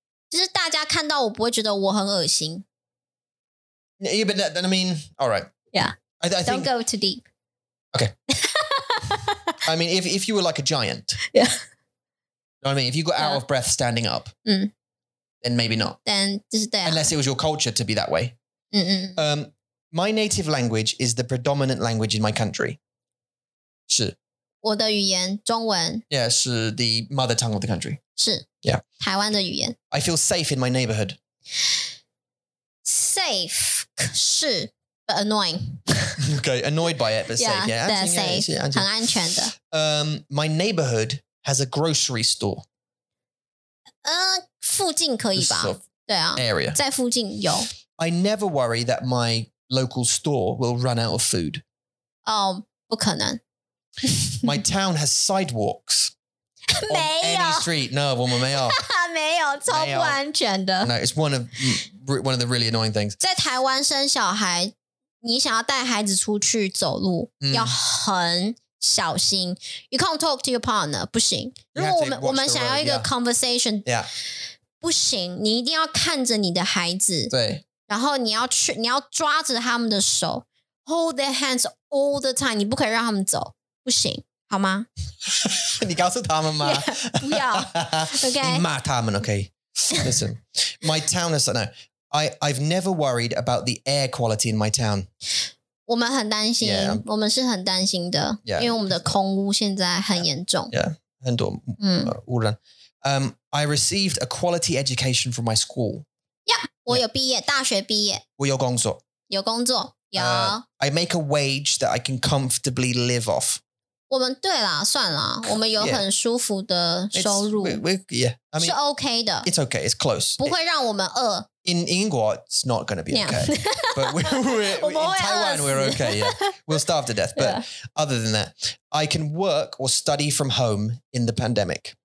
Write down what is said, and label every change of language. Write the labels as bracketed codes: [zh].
[zh] 就是大家看到我不会觉得我很恶心。 [en] Yeah, but then I mean, all right. Yeah. I think, don't go too deep. Okay. I mean, if you were like a giant. Yeah. You know what I mean? If you got out of breath standing up. Mm. Then maybe not. [zh] Then, 就是对啊。 [en] Unless it was your culture to be that way. Mm-mm. My native language is the predominant language in my country. [zh] 是。我的语言中文。 [en] Yeah, 是 the mother tongue of the country. [zh] 是。 [en] Yeah. [zh] 台湾的语言。 [en] I feel safe in my neighborhood. Safe, [zh] 可是 [en] but annoying. Okay, annoyed by it, but safe. Yeah, yeah. Yeah, [zh] safe, 很安全的。 [en] My neighborhood has a grocery store. [zh] 附近可以吧？对啊。 [en] Area. [zh] 在附近有。 [en] I never worry that my local store will run out of food. [zh] 哦，不可能。 [en] My town has sidewalks. Any street. No, woman, [zh] 没有。没有，超不安全的。 [en] No, it's one of the really annoying things. [zh] 在台湾生小孩你想要带孩子出去走路、嗯、要很小心。 [en] You can't talk to your partner, [zh] 不行。如果我们想要一个 [en] conversation, yeah. Yeah. [zh] 不行，你一定要看着你的孩子。对。然后你要抓着他们的手 , [en] hold their hands all the time, [zh] 你不可以让他们走。不行好吗你告诉他们吗 yeah, 不要。OK。你骂他们 ,OK。 [en] Listen, my town is, no, I've never worried about the air quality in my town. [zh] 我们很担心 [en] yeah, [zh] 我们是很担心的 [en] yeah, [zh] 因为我们的空污现在很严重。 [en] Yeah, [zh] 很多污染。 [en] I received a quality education from my school. [zh] Yeah, 我有毕业 yeah. 大学毕业。我有工作。有工作有。 [en] I make a wage that I can comfortably live off. [zh] 我们对啦算啦我们有很舒服的收入。 [en] Yeah, I mean, [zh] 是 OK 的。 [en] It's okay, it's close. [zh] 不会让我们饿。 [en] In England, it's not going to be okay. But in Taiwan, we're okay. Yeah, we'll starve to death. But other than that, I can work or study from home in the pandemic.